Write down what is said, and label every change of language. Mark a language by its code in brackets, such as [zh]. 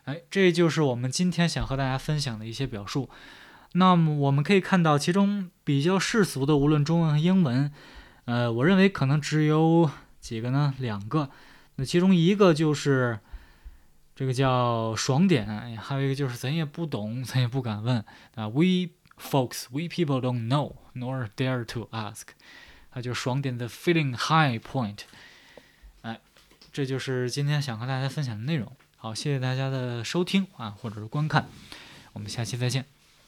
[zh] 这就是我们今天想和大家分享的一些表述。那么我们可以看到，其中比较世俗的，无论中文和英文，我认为可能只有几个呢，两个。那其中一个就是这个叫爽点，还有一个就是咱也不懂，咱也不敢问啊。 [en] We folks, we people don't know nor dare to ask。 [zh] 它就爽点的 [en] feeling high point。 [zh] 这就是今天想和大家分享的内容。好，谢谢大家的收听啊，或者是观看，我们下期再见。